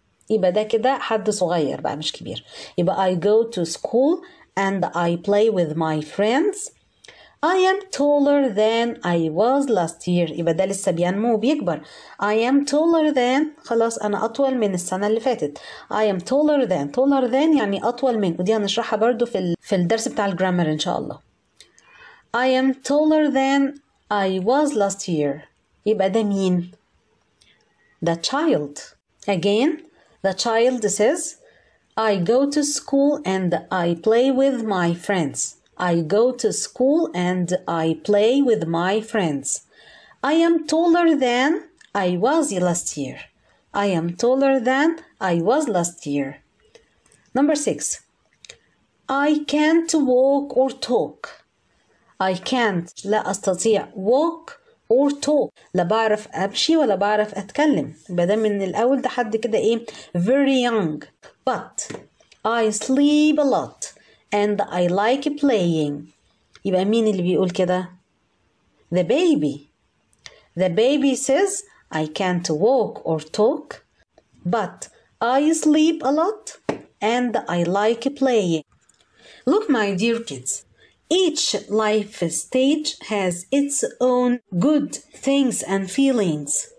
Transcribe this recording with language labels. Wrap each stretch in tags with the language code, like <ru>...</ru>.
<ar>يبقى ده كده حد صغير بقى مش كبير.</ar> <en>يبقى I go to school, and I play with my friends. I am taller than I was last year.</en> <ar>يبقى ده لسه بينمو وبيكبر.</ar> <en>I am taller than.</en> <ar>خلاص أنا أطول من السنة اللي فاتت.</ar> <en>I am taller than. taller than</en> <ar>يعني أطول من. ودي هنشرحها برضو في الدرس بتاع الجرامر إن شاء الله.</ar> <en>I am taller than I was last year.</en> <ar>يبقى ده مين؟</ar> <en>The child. Again, the child says, I go to school and I play with my friends. I go to school and I play with my friends. I am taller than I was last year. I am taller than I was last year. Number six. I can't walk or talk. I can't.</en> <ar>لا أستطيع.</ar> <en>Walk or talk.</en> <ar>لا بعرف أمشي ولا بعرف أتكلم. بدأ من الأول ده حد كده إيه.</ar> <en>Very young. But I sleep a lot. And I like playing.</en> <ar>يبقى مين اللي بيقول كده؟</ar> <en>The baby. The baby says, I can't walk or talk, but I sleep a lot and I like playing. Look, my dear kids. Each life stage has its own good things and feelings.</en>